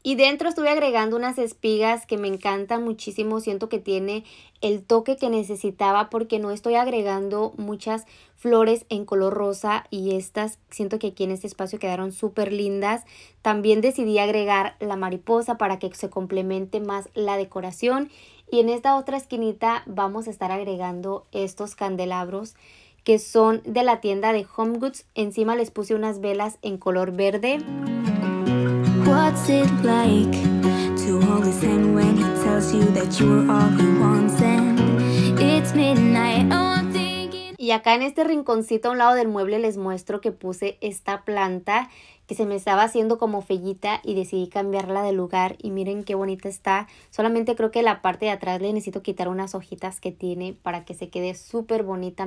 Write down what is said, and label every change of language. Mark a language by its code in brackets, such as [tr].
[es] Y dentro estuve agregando unas espigas que me encantan muchísimo, siento que tiene el toque que necesitaba porque no estoy agregando muchas flores en color rosa y estas siento que aquí en este espacio quedaron súper lindas. También decidí agregar la mariposa para que se complemente más la decoración. Y en esta otra esquinita vamos a estar agregando estos candelabros que son de la tienda de Home Goods. Encima les puse unas velas en color verde. [en] What's it like to hold his hand when he tells you that you're all he wants and it's midnight? Oh. [es] Y acá en este rinconcito a un lado del mueble les muestro que puse esta planta que se me estaba haciendo como feíta y decidí cambiarla de lugar y miren qué bonita está. Solamente creo que la parte de atrás le necesito quitar unas hojitas que tiene para que se quede súper bonita.